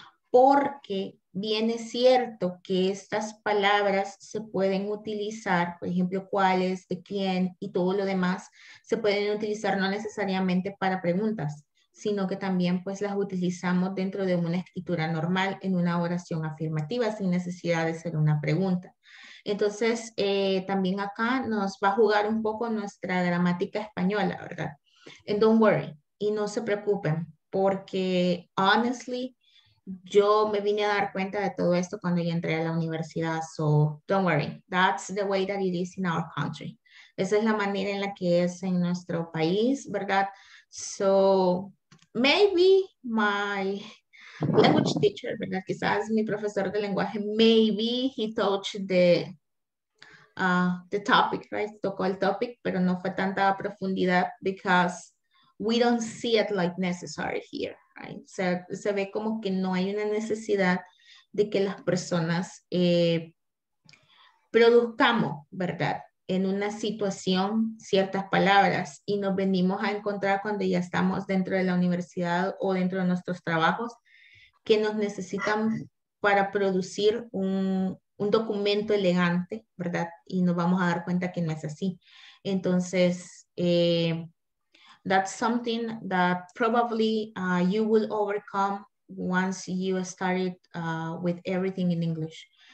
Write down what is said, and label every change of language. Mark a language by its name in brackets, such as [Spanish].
[Spanish] Porque bien es cierto que estas palabras se pueden utilizar, por ejemplo, cuáles, de quién y todo lo demás, se pueden utilizar no necesariamente para preguntas, sino que también pues las utilizamos dentro de una escritura normal en una oración afirmativa sin necesidad de ser una pregunta. Entonces, también acá nos va a jugar un poco nuestra gramática española, ¿verdad? [English] And don't worry, [Spanish] y no se preocupen, porque [English] honestly, [Spanish] yo me vine a dar cuenta de todo esto cuando yo entré a la universidad. [English] So, don't worry. That's the way that it is in our country. [Spanish] Esa es la manera en la que es en nuestro país, ¿verdad? [English] So, maybe my language teacher, [Spanish] ¿verdad? Quizás mi profesor de lenguaje, [English] maybe he touched the topic, right? [Spanish] Tocó el topic, pero no fue tanta profundidad [English] because we don't see it like necessary here, right? [Spanish] O sea, se ve como que no hay una necesidad de que las personas produzcamos, ¿verdad? En una situación, ciertas palabras, y nos venimos a encontrar cuando ya estamos dentro de la universidad o dentro de nuestros trabajos, que nos necesitan para producir un documento elegante, ¿verdad? Y nos vamos a dar cuenta que no es así. Entonces, [English] that's something that probably you will overcome once you started with everything in English.